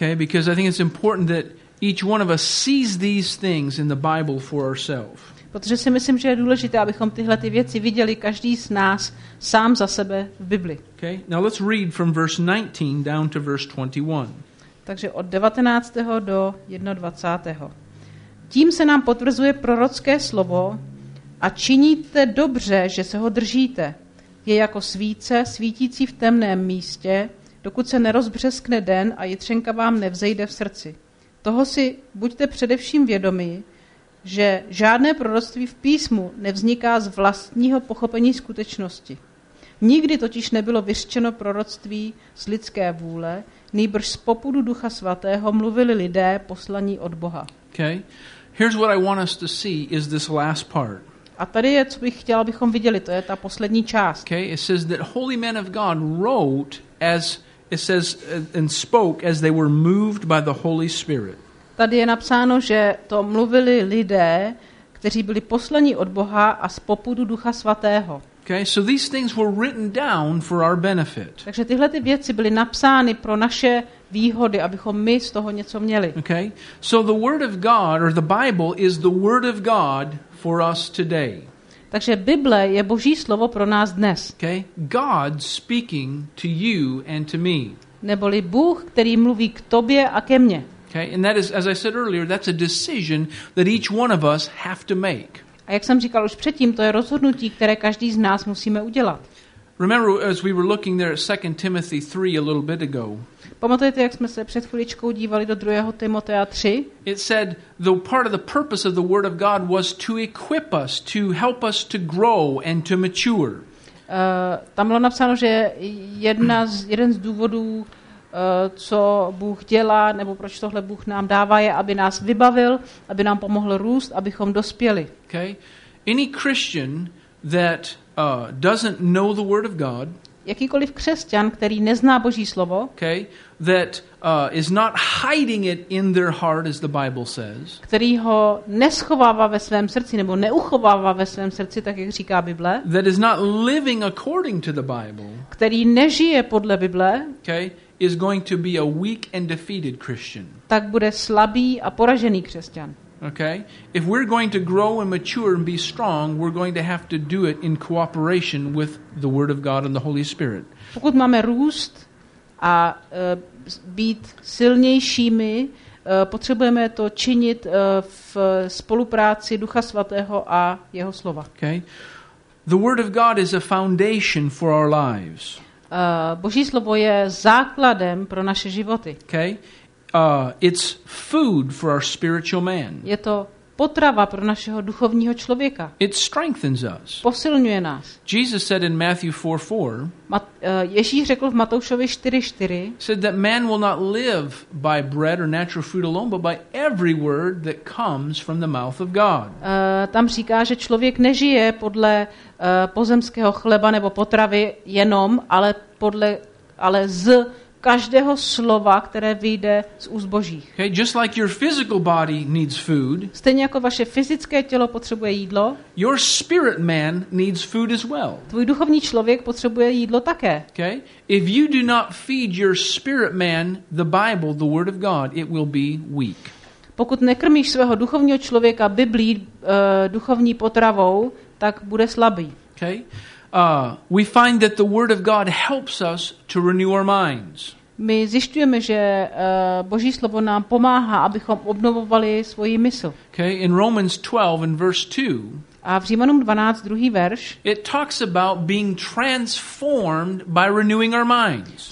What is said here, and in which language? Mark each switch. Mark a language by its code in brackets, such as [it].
[en] Okay, because I think it's important that each one of us sees these things in the Bible for ourselves. [cs] Protože si myslím, že je důležité, abychom tyhle ty věci viděli každý z nás sám za sebe v Bibli. [en] Okay. Now let's read from verse 19 down to verse 21. [cs] Takže od 19. do 21. Tím se nám potvrzuje prorocké slovo a činíte dobře, že se ho držíte. Je jako svíce, svítící v temném místě, dokud se nerozbřeskne den a jitřenka vám nevzejde v srdci. Toho si buďte především vědomi, že žádné proroctví v písmu nevzniká z vlastního pochopení skutečnosti. Nikdy totiž nebylo vyřčeno proroctví z lidské vůle, nýbrž z popudu Ducha Svatého mluvili lidé poslaní od Boha. [en] Okay. Here's what I want us to see is this last part. [cs] A tady je, co bych chtěl, abychom viděli, to je ta poslední část. [en] Okay. It says that holy men of God wrote as it says and spoke as they were moved by the Holy Spirit. [cs] Tady je napsáno, že to mluvili lidé, kteří byli poslaní od Boha a z popudu Ducha Svatého. [en] Okay, so these things were written down for our benefit. [cs] Takže tyhle ty věci byly napsány pro naše výhody, abychom my z toho něco měli. [en] Okay, so the word of God or the Bible is the word of God for us today. [cs] Takže Bible je Boží slovo pro nás dnes. [en] Okay, God speaking to you and to me. [cs] Neboli Bůh, který mluví k tobě a ke mně. [en] Okay, and that is, as I said earlier, that's a decision that each one of us have to make. [cs] A jak jsem říkal už předtím, to je rozhodnutí, které každý z nás musíme udělat. [en] Remember, as we were looking there at 2 Timothy 3 a little bit ago. [cs] Pamatujete, jak jsme se před chvíličkou dívali do 2. Timotea 3? [en] It said the part of the purpose of the word of God was to equip us, to help us to grow and to mature. [cs] Tam bylo napsáno, že jeden z důvodů, co Bůh dělá, nebo proč tohle Bůh nám dává, je, aby nás vybavil, aby nám pomohl růst, abychom dospěli. [en] Okay. Any Christian that doesn't know the word of God, [cs] jakýkoliv křesťan, který nezná Boží slovo, [en] okay, that is not hiding it in their heart, as the Bible says, [cs] který ho neschovává ve svém srdci nebo neuchovává ve svém srdci, tak jak říká Bible, [en] that is not living according to the Bible, [cs] který nežije podle Bible, [en] okay, is going to be a weak and defeated Christian. [cs] Tak bude slabý a poražený křesťan. [en] Okay? If we're going to grow and mature and be strong, we're going to have to do it in cooperation with the Word of God and the Holy Spirit. [cs] Pokud máme růst a být silnějšími, potřebujeme to činit v spolupráci Ducha Svatého a jeho slova. [en] Okay? The Word of God is a foundation for our lives. [cs] Boží slovo je základem pro naše životy. [en] Okay? It's food for our spiritual man. [cs] Je to potrava pro našeho duchovního člověka. [en] It strengthens us. [cs] Posilňuje nás. [en] Jesus said in Matthew 4:4. [cs] Ježíš řekl v Matoušovi 4:4. [en] Said that man will not live by bread or natural food alone, but by every word that comes from the mouth of God. [cs] Tam říká, že člověk nežije podle pozemského chleba nebo potravy jenom, ale z každého slova, které vyjde z úst Božích. [en] Okay, just like your physical body needs food. [cs] Stejně jako vaše fyzické tělo potřebuje jídlo. [en] Your spirit man needs food as well. [cs] Tvůj duchovní člověk potřebuje jídlo také. [en] Okay, if you do not feed your spirit man the Bible, the Word of God, it will be weak. [cs] Pokud nekrmíš svého duchovního člověka Biblí, duchovní potravou, tak bude slabý. [en] Okay. We find that the word of God helps us to renew our minds. [cs] My zjišťujeme, že Boží slovo nám pomáhá, abychom obnovovali svoji mysl. [en] Okay, in Romans 12 and verse 2. [cs] A v Římanům 12, druhý verš. [en] It talks about being transformed by renewing our minds.